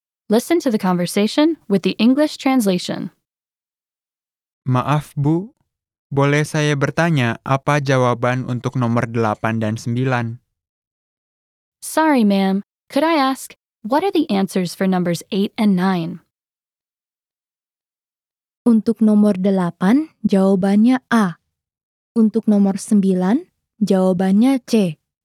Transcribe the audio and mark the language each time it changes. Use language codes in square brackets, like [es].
[en] Listen to the conversation with the English translation. [id] Maaf, Bu. Boleh saya bertanya apa jawaban untuk nomor 8 dan 9? [en] Sorry, ma'am. Could I ask, what are the answers for numbers 8 and 9? [id] Untuk nomor 8, jawabannya A. Untuk nomor 9, jawabannya C.